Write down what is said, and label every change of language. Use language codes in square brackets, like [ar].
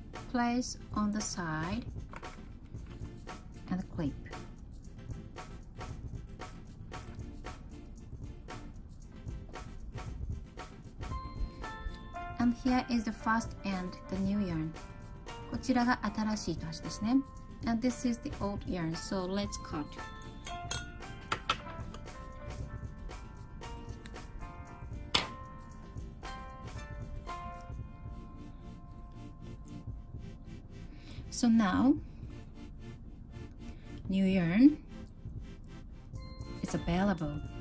[en] Place on the side and clip. And here is the first end, the new yarn. [ja] こちらが新しい糸端ですね。 [en] And this is the old yarn, so let's cut. So now, new yarn is available.